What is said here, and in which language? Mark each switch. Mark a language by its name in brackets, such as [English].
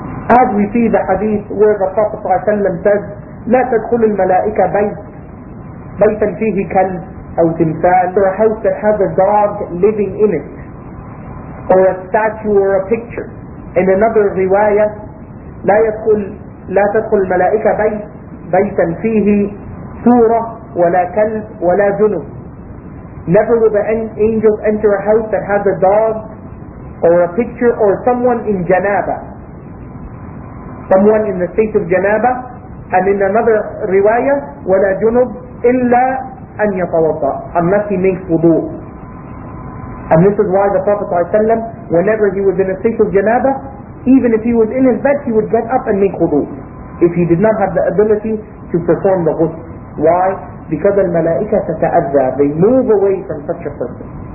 [English] As we see the hadith where the Prophet ﷺ says, [Arabic] لا تدخل الملائكة بيتا فيه كلب أو تمثال, [English] or a house that has a dog living in it, or a statue or a picture. In another riwayah, [Arabic] لا تدخل الملائكة بيتا فيه سورة ولا كلب ولا جنب. [English] Never will the angels enter a house that has a dog or a picture or someone in janaba. Someone in the state of janaba. And in another riwayah, [Arabic] ولا جنب إلا أن يتوضأ. [English] Unless he makes wudu. And this is why the Prophet ﷺ, whenever he was in a state of janaba, even if he was in his bed, he would get up and make wudu. If he did not have the ability to perform the ghusl. Why? Because al-malaika tata'adha, they move away from such a person.